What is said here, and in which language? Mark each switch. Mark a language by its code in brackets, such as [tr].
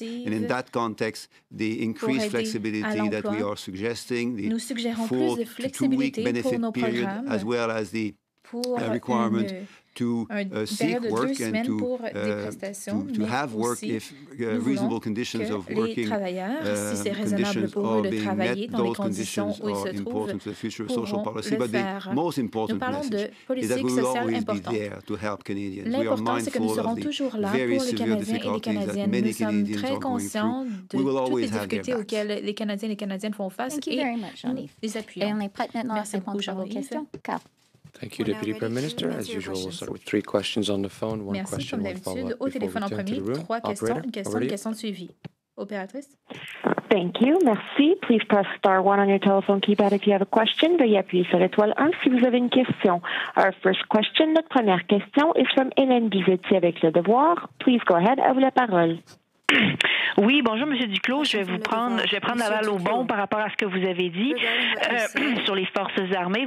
[en] And in that context, the increased flexibility that we are suggesting, the 4 to 2 week benefit period, as well as the requirement to seek work and to have work if reasonable conditions of working conditions are being met. Those conditions are important to the future of social policy. But the most important message is that we will always be there to help Canadians. We are mindful of the very severe difficulties that many Canadians are going through. We will always have their backs. Thank you very much, Jean-Yves. [fr] Et on est prêt maintenant à répondre à vos questions. [en] Thank you, Deputy Prime Minister. As usual, we'll start with three questions on the phone, one [fr] Merci, [en] question, one follow-up. [fr] Au téléphone en premier, trois questions, une question, une question suivie. Opératrice. [en] Thank you. [fr] Merci. [en] Please press star 1 on your telephone keypad if you have a question. [fr] Veuillez appuyer sur l'étoile 1 si vous avez une question. [en] Our first question, [fr] notre première question, [en] is from Hélène Bizetti avec Le Devoir. Please go ahead, [fr] à vous la parole. Oui, bonjour, Monsieur Duclos. Je vais vous prendre, je vais prendre la balle au bon par rapport à ce que vous avez dit sur les forces armées.